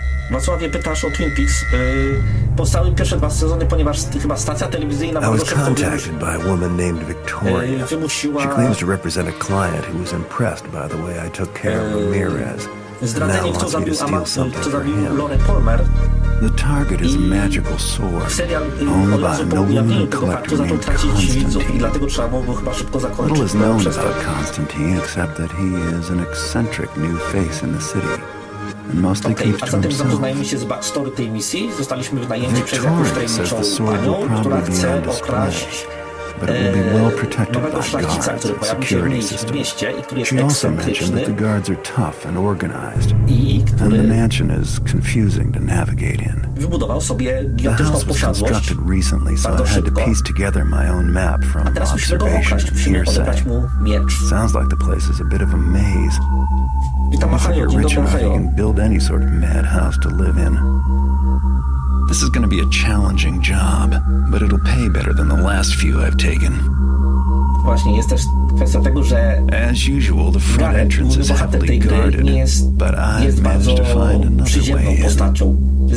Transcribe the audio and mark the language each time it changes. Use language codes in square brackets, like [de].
[pl] Wacławie, pytasz o Twin Peaks. Powstały pierwsze dwa sezony, ponieważ chyba stacja telewizyjna wymusiła... Zdradzenie, kto zabił Lorę Palmer. [en] The target is a magical sword. Owned by a nobleman collector named Constantine. Little is known about Constantine except that he is an eccentric new face in the city. And mostly keeps to himself. Victoria says the sword will probably be on display. But it will be well protected by guards and security systems. She also mentioned that the guards are tough and organized. And the mansion is confusing to navigate in. The house was constructed recently, so I had to piece together my own map from observation and hearsay. Sounds like the place is a bit of a maze. If you're rich enough, you can build any sort of madhouse to live in. This is going to be a challenging job, but it'll pay better than the last few I've taken. [pl] Właśnie jest też kwestia tego, że [en] as usual, the front entrance is heavily guarded, but I've managed to find another way in.